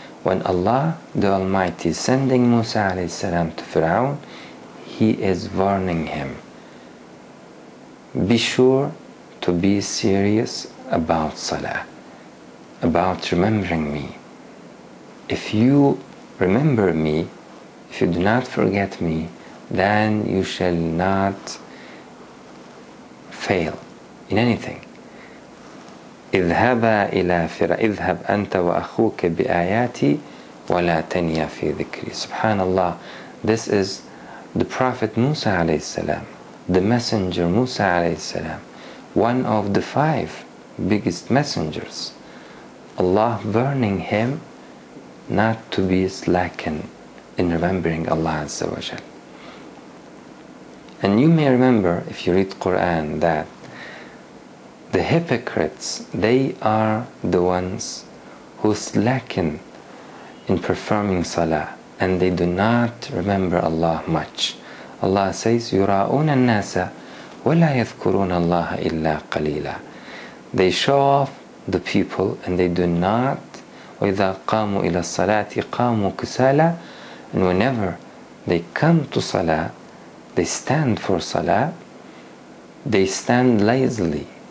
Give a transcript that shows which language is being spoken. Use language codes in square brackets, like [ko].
[en] When Allah the Almighty is sending Musa alayhi salam to Fir'aun, He is warning him, be sure to be serious about salah, about remembering me. If you remember me, if you do not forget me, then you shall not fail in anything. [ar] اذهبا إلى فرعون اذهب أنت وأخوك بآياتي ولا تنيا في ذكري. [en] Subhanallah, this is the Prophet Musa alayhi salam, the messenger Musa alayhi salam, one of the five biggest messengers. Allah warning him not to be slacken in remembering Allah Azza wa Jal. And you may remember, if you read Quran, that the hypocrites, they are the ones who slacken in performing salah, and they do not remember Allah much. Allah says, [ar] يُرَاءُونَ النَّاسَ وَلَا يَذْكُرُونَ اللَّهَ إِلَّا قَلِيلًا. [en] They show off the people, and they do not. [ar] وَإِذَا قَامُوا إِلَى الصَّلَاةِ قَامُوا كُسَالًا. [en] And whenever they come to salah, they stand for salah, they stand lazily.